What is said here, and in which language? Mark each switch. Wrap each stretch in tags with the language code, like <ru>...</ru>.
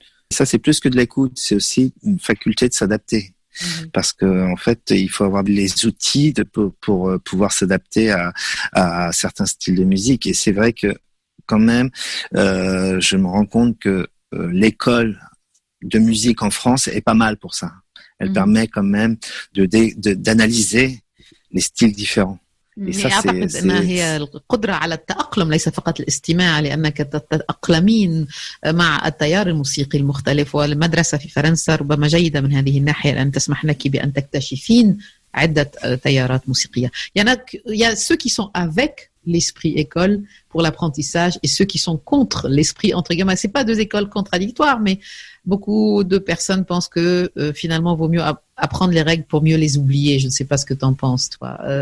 <fr>Ça, c'est plus que de l'écoute. C'est aussi une faculté de s'adapter. Parce que, en fait, il faut avoir les outils pour pouvoir s'adapter à certains styles de musique. Et c'est vrai que, quand même, je me rends compte que l'école de musique en France est pas mal pour ça. Elle permet quand même d'analyser les styles différents. Et ça, c'est</fr> <ar>انها هي القدرة على التأقلم ليس فقط الاستماع، لأنك تتأقلمين مع التيار الموسيقي المختلف، والمدرسة في فرنسا ربما جيدة من هذه الناحية لأن تسمح لك بأن تكتشفين عدة تيارات موسيقية. يعني يا</ar> <fr>ceux qui sont avec l'esprit école pour l'apprentissage et ceux qui sont contre l'esprit entre guillemets. C'est pas deux écoles contradictoires, mais beaucoup de personnes pensent que finalement vaut mieux apprendre les règles pour mieux les oublier. Je ne sais pas ce que t'en penses toi.</fr>